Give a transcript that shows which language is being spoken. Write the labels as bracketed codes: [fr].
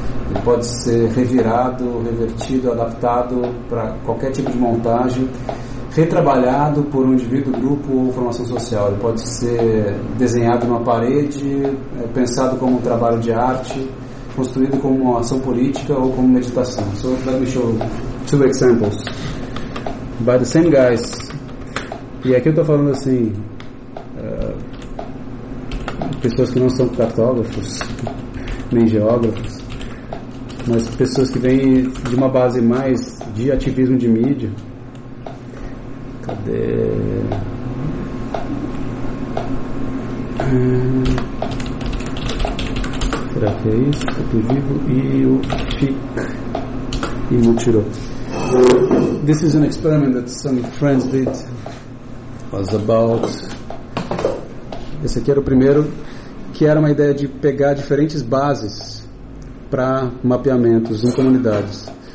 [pt] Ele pode ser revirado, revertido, adaptado para qualquer tipo de montagem, retrabalhado por um indivíduo, grupo ou formação social. Ele pode ser desenhado numa parede, pensado como um trabalho de arte, construído como uma ação política ou como meditação. [en] So let me show two examples by the same guys. [pt] E aqui eu estou falando assim, pessoas que não são cartógrafos nem geógrafos, mas pessoas que vêm de uma base mais de ativismo de mídia. Cadê? Será que é isso? Eu tô vivo. E o FIC. E o tirou. [en] This is an experiment that some friends did. Was about... [pt] Esse aqui era o primeiro, que era uma ideia de pegar diferentes bases para mapeamentos em comunidades.